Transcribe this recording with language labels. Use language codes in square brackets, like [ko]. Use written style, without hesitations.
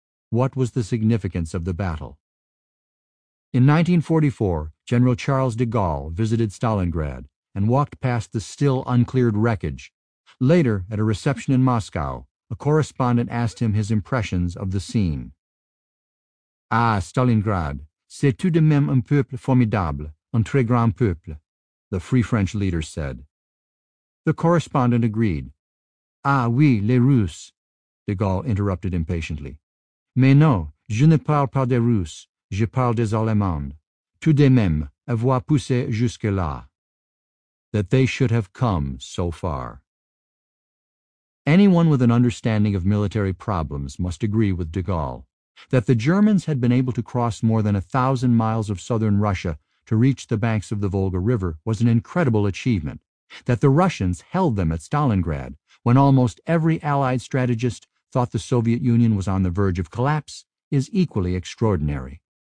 [en] What was the significance of the battle? In 1944, General Charles de Gaulle visited Stalingrad and walked past the still uncleared wreckage. Later, at a reception in Moscow, a correspondent asked him his impressions of the scene. [fr] "Ah, Stalingrad, c'est tout de même un peuple formidable, un très grand peuple," [en] the Free French leader said. The correspondent agreed. [fr] "Ah oui, les Russes," [en] de Gaulle interrupted impatiently. [fr] "Mais non, je ne parle pas des Russes, je parle des Allemands. Tout de même, avoir poussé jusque-là." [en] That they should have come so far. Anyone with an understanding of military problems must agree with de Gaulle that the Germans had been able to cross more than 1,000 miles of southern Russia to reach the banks of the Volga River was an incredible achievement, that the Russians held them at Stalingrad when almost every Allied strategist thought the Soviet Union was on the verge of collapse, is equally extraordinary.